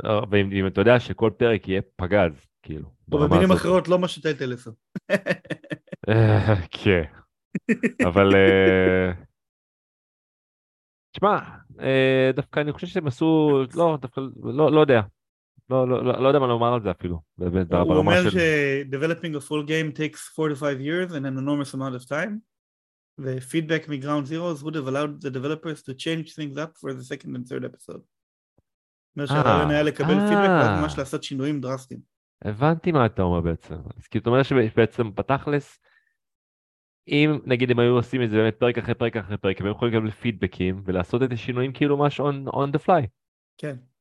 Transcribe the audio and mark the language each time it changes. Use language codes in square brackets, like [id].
[he] ואם אתה יודע שכל פרק יהיה פגז, כאילו. במילים אחרות לא משתי טלסון. כן. אבל... תשמע, דווקא אני חושב שהם עשו... לא, דווקא... לא יודע. לא יודע מה לומר על זה אפילו. הוא אומר ש- [en] developing a full game takes 4-5 years and an enormous amount of time. The feedback from Ground Zeroes would have allowed the developers to change things up for the second and third episode. [he] אומר שהרעיון היה לקבל פידבק וממש לעשות שינויים דרסטיים. הבנתי מה אתה אומר בעצם. אז כאילו אתה אומר שבעצם בתכלס, אם נגיד הם היו עושים את זה באמת פרק אחרי פרק אחרי פרק, הם יכולים לקבל פידבקים ולעשות את השינויים כאילו ממש [en] on the fly. [he] כן.